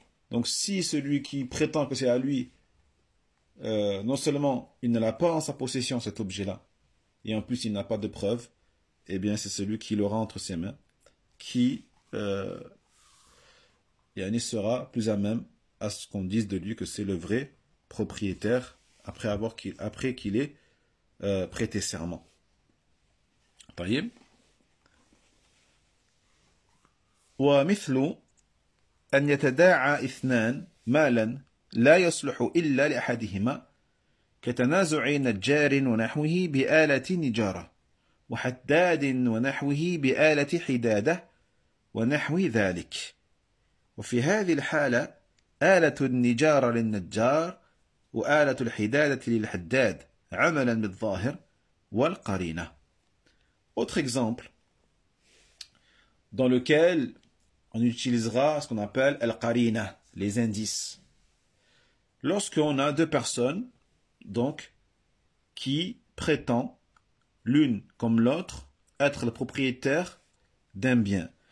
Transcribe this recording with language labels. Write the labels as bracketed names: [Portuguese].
[French] Donc si celui qui prétend que c'est à lui, non seulement il ne l'a pas en sa possession cet objet-là, et en plus il n'a pas de preuve, eh bien c'est celui qui l'aura entre ses mains, qui yani sera plus à même à ce qu'on dise de lui que c'est le vrai propriétaire après qu'il ait prêté serment. [Arabic] طيب. ومثل أن يتداعى اثنان مالا لا يصلح إلا لأحدهما كتنازع نجار ونحوه بآلة نجارة وحداد ونحوه بآلة حدادة ونحو ذلك وفي هذه الحالة آلة النجارة للنجار وآلة الحدادة للحداد عملا بالظاهر والقرينة. [French] Autre exemple dans lequel on utilisera ce qu'on appelle al-qarina, les indices. Lorsqu'on a deux personnes, donc, qui prétendent l'une comme l'autre être le propriétaire d'un bien.